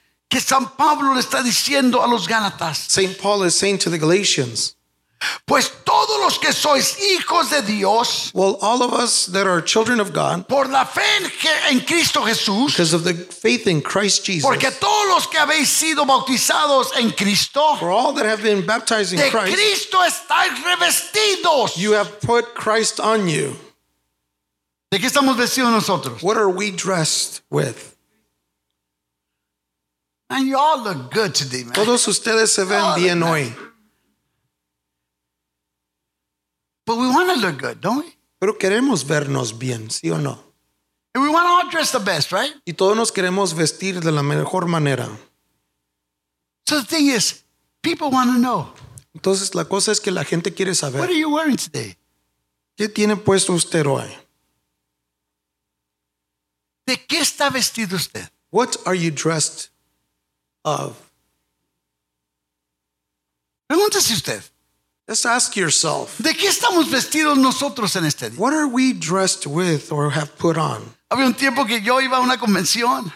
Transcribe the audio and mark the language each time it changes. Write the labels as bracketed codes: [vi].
[es] Que San Pablo le está diciendo a los Gálatas. [en] Saint Paul is saying to the Galatians. [es] Pues todos los que sois hijos de Dios. [en] Well, all of us that are children of God. [es] Por la fe en Cristo Jesús. [en] Because of the faith in Christ Jesus. [es] Porque todos los que habéis sido bautizados en Cristo. [en] For all that have been baptized in [es] de [en] Christ. [es] De Cristo estáis revestidos. [en] You have put Christ on you. [es] ¿De qué estamos vestidos nosotros? [en] What are we dressed with? And you all look good today, man. [es] Todos ustedes se ven bien nice. Hoy. [en] But we want to look good, don't we? [es] Pero queremos vernos bien, ¿sí o no? [en] And we want to all dress the best, right? [es] Y todos nos queremos vestir de la mejor manera. [en] So the thing is, people want to know. [es] Entonces la cosa es que la gente quiere saber. [en] What are you wearing today? [es] ¿Qué tiene puesto usted hoy? ¿De qué está vestido usted? [en] What are you dressed of? [es] Pregúntese usted. [en] Let's ask yourself. [es] ¿De qué estamos vestidos nosotros en este día? [en] What are we dressed with or have put on? [es] Había un tiempo que yo iba a una convención.